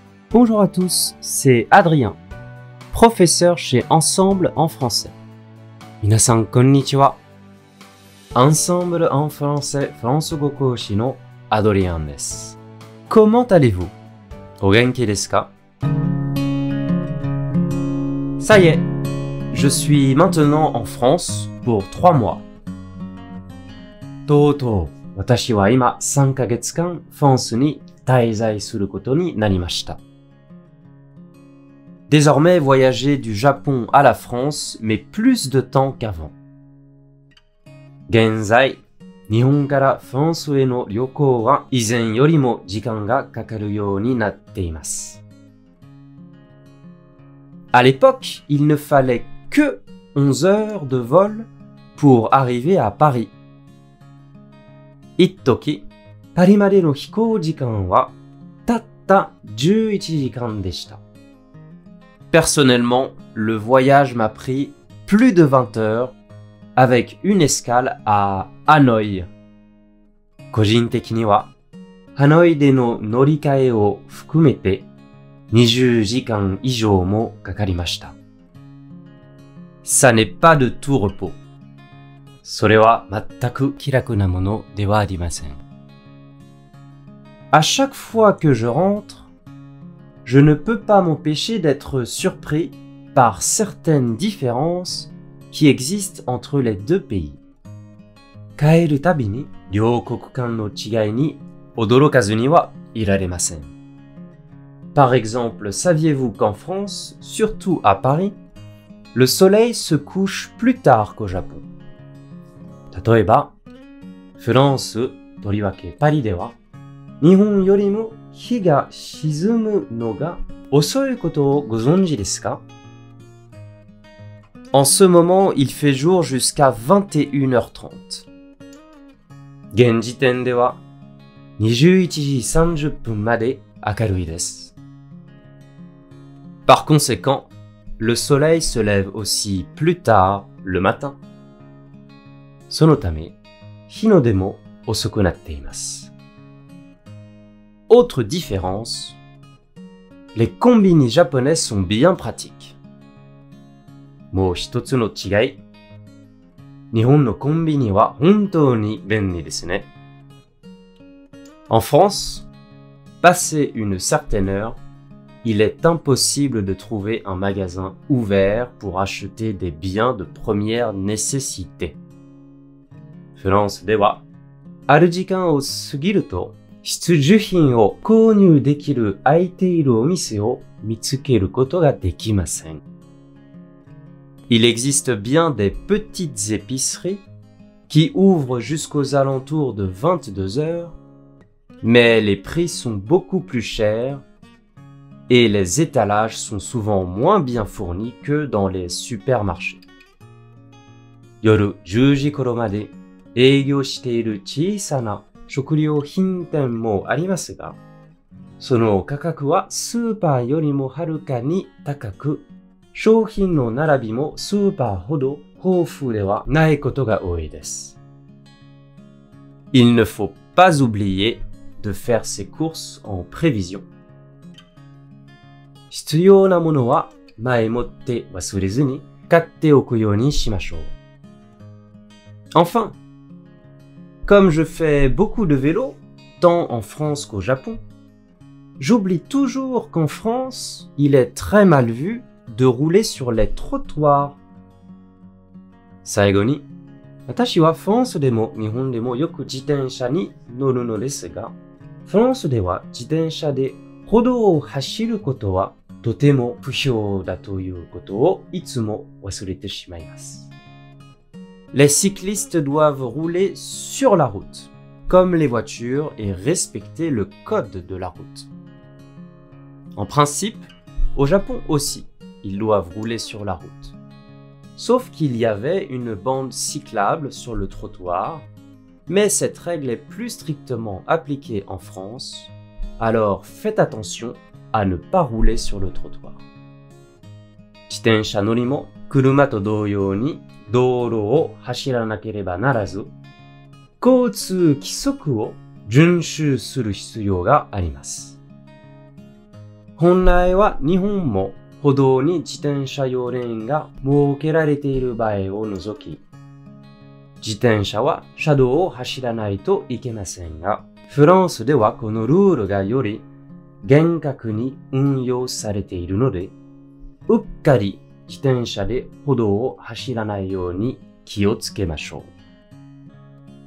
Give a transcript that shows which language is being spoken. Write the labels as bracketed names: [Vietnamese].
[French] Bonjour à tous, c'est Adrien, professeur chez Ensemble en français. [Japanese] 皆さんこんにちは。 Ensemble en français フランス語講師のアドリアンです。 [French] Comment allez-vous? [Japanese] お元気ですか? [French] Ça y est, je suis maintenant en France pour 3 mois. [Japanese] とうとう、私は今3ヶ月間フランスに滞在することになりました。 [French] Désormais, voyager du Japon à la France met plus de temps qu'avant. [Japanese] 現在日本からフランスへの旅行は以前よりも時間がかかるようになっています。 [French] À l'époque, il ne fallait que 11 heures de vol pour arriver à Paris. [Japanese] 一時、パリまでの飛行時間はたった11時間でした。 [French] Personnellement, le voyage m'a pris plus de 20 heures. Avec une escale à Hanoï. [Japanese] 個人的には、ハノイでの乗り換えを含めて20時間以上もかかりました。 [French] Ça n'est pas de tout repos. [Japanese] それは全く気楽なものではありません。 [French] À chaque fois que je rentre, je ne peux pas m'empêcher d'être surpris par certaines différences. Qui existe entre les deux pays. [Japanese] 帰るたびに両国間の違いに驚かずにはいられません。 [French] Par exemple, saviez-vous qu'en France, surtout à Paris, le soleil se couche plus tard qu'au Japon? [Japanese] 例えば、フランス、とりわけパリでは、日本よりも日が沈むのが遅いことをご存知ですか? [French] En ce moment, il fait jour jusqu'à 21h30. [Japanese] 現時点では21時30分まで明るいです。 [French] Par conséquent, le soleil se lève aussi plus tard le matin. [Japanese] そのため、日の出も遅くなっています。 [French] Autre différence, les combinis japonais sont bien pratiques. [Japanese] もう一つの違い。日本のコンビニは本当に便利ですね。 [French] En France, passé une certaine heure, il est impossible de trouver un magasin ouvert pour acheter des biens de première nécessité. [Japanese] フランスでは、ある時間を過ぎると、必需品を購入できる空いているお店を見つけることができません。 [French] Il existe bien des petites épiceries qui ouvrent jusqu'aux alentours de 22 heures, mais les prix sont beaucoup plus chers et les étalages sont souvent moins bien fournis que dans les supermarchés. [Japanese] 夜10時頃まで営業している小さな食料品店もありますが、その価格はスーパーよりもはるかに高く、商品の並びもスーパーほど豊富ではないことが多いです。 [French] Il ne faut pas oublier de faire ses courses en prévision. [Japanese] 必要なものは前もって忘れずに買っておくようにしましょう。 [French] Enfin, comme je fais beaucoup de vélo, tant en France qu'au Japon, j'oublie toujours qu'en France, il est très mal vu. De rouler sur les trottoirs. [Japanese] 最後に、私はフランスでも日本でもよく自転車に乗るのですが、フランスでは自転車で歩道を走ることはとても不評だということをいつも忘れてしまいます。 [French] Les cyclistes doivent rouler sur la route, comme les voitures, et respecter le code de la route. En principe, au Japon aussi. Ils doivent rouler sur la route. Sauf qu'il y avait une bande cyclable sur le trottoir, mais cette règle est plus strictement appliquée en France, Alors faites attention à ne pas rouler sur le trottoir. [Japanese] 自転車乗りも車と同様に道路を走らなければならず、交通規則を遵守する必要があります。本来は日本も歩道に自転車用レーンが設けられている場合を除き、自転車は車道を走らないといけませんが、フランスではこのルールがより厳格に運用されているので、うっかり自転車で歩道を走らないように気をつけましょう。